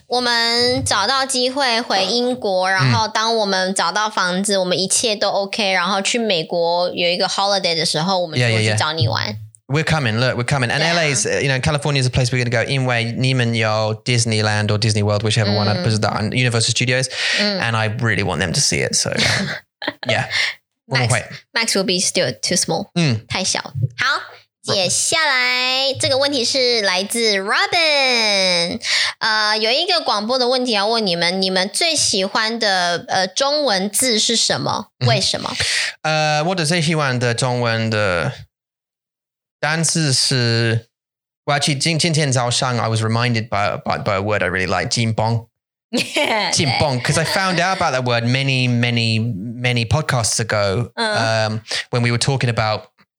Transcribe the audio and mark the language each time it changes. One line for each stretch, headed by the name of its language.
Chinese: 我们找到机会回英国，然后当我们找到房子，我们一切都 OK, 然后去美国有一个 holiday 的时候，我们就会去找你玩。 We're coming, look, we're coming. And LA is, you know, California is a place we're going to go. 因为你们有
English: Disneyland or Disney World, whichever one, I suppose that, and Universal Studios. And I really want them to see it. So, yeah. Max will be still too small.
Chinese: 太小。好，接下来这个问题是来自 Robin。有一个广播的问题要问你们，你们最喜欢的中文字是什么？为什么？我的最喜欢的中文的单词是
English: well, actually,
Chinese: 今天早上
English: I was reminded by a word I really like, 金棒 金棒 because I found out about that word many, many, many podcasts ago when we were talking about